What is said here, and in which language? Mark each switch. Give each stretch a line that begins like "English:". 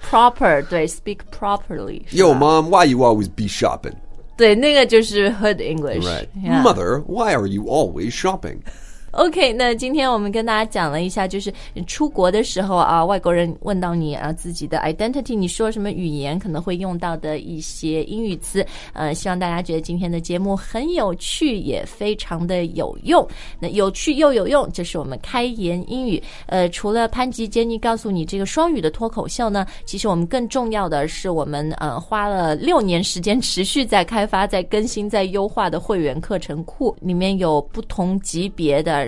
English: Proper， 对 ，speak properly。 Yo, mom, why you always be shopping?
Chinese: 对，那个就是 Hood English.
English: Right.、 Yeah. Mother, why are you always shopping?
Chinese: OK, 那今天我们跟大家讲了一下，就是出国的时候啊，外国人问到你啊自己的 identity, 你说什么语言可能会用到的一些英语词。希望大家觉得今天的节目很有趣，也非常的有用。那有趣又有用，这是我们开言英语。除了潘吉杰尼告诉你这个双语的脱口秀呢，其实我们更重要的是我们花了六年时间持续在开发、在更新、在优化的会员课程库，里面有不同级别的。